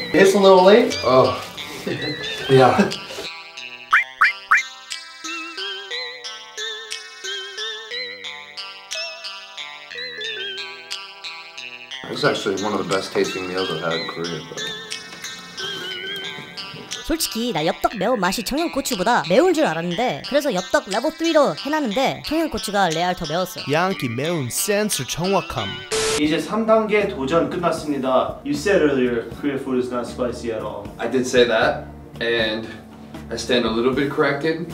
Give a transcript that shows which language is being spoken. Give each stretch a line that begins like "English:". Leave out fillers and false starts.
English: It's a little late. Oh. Yeah. This is actually one of the best tasting meals I've had in Korea, bro.
Korean: 솔직히 나 엽떡 매운 맛이 청양고추보다 매운 줄 알았는데 그래서 엽떡 레버 3로 해놨는데 청양고추가 레알 더 매웠어. 양키 매운 센스 정확함. 이제 3단계 도전 끝났습니다.
English: You said earlier Korean food is not spicy at all. I did say that, and I stand a little bit corrected.